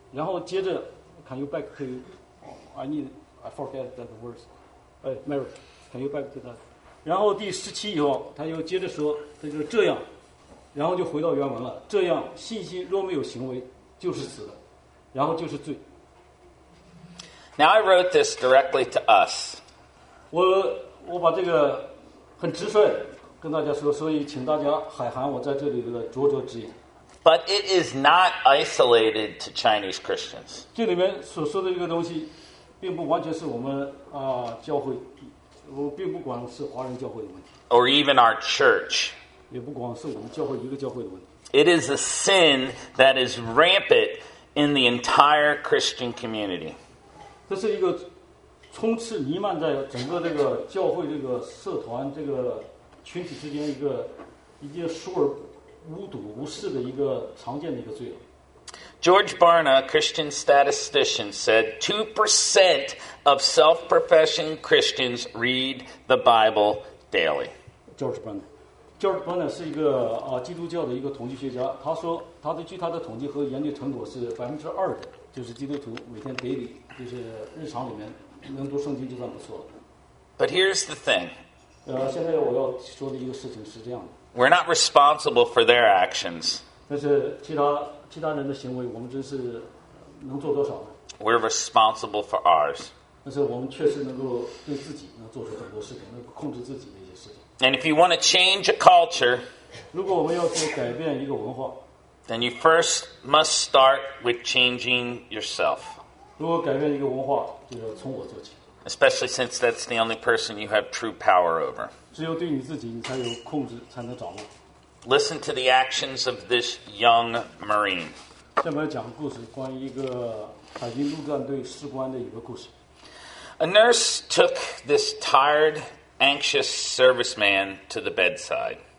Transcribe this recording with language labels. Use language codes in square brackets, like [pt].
[zh] 然后接着 [en] Can you back to Mary Can you back to that [zh] 然后第十七以后他又接着说，他就这样，然后就回到原文了，这样信心若没有行为就是死的，然后就是罪。 [en] Now I wrote this directly to us. [zh] 我把这个很直率跟大家说，所以请大家海涵我在这里的灼灼之言。 [en] But it is not isolated to Chinese Christians. [zh] 这里面所说的这个东西，并不完全是我们教会，我并不光是华人教会的问题。 [en] Or even our church. [zh] 也不光是我们教会一个教会的问题。 [en] It is a sin that is rampant in the entire Christian community. [zh] 这是一个充斥弥漫在整个这个教会这个社团这个群体之间一件疏而无睹无视的一个常见的一个罪。 [en] George Barna, Christian statistician, said 2% of self-professing Christians read the Bible daily. [zh] George Barna 是一个基督教的一个统计学家，他说他的据他的统计和研究成果是2%的。就是基督徒每天 daily 就是日常里面能读圣经就算不错了。 [en] But here's the thing. [zh] 现在我要说的一个事情是这样的。 [en] We're not responsible for their actions. [zh] 但是其他人的行为，我们真是能做多少呢？ [en] We're responsible for ours. [zh] 但是我们确实能够对自己能做出很多事情，能够控制自己的一些事情。 [en] And if you want to change a culture, [zh] 如果我们要去改变一个文化。 [en] Then you first must start with changing yourself. [zh] 如果改变一个文化，就要从我做起。 [en] Especially since that's the only person you have true power over. [zh] 只有对你自己，你才有控制，才能掌握。 [en] Listen to the actions of this young Marine. [zh] 下面讲故事，关于一个海军陆战队士官的一个故事。 [en] A nurse took this tired, anxious serviceman to the bedside.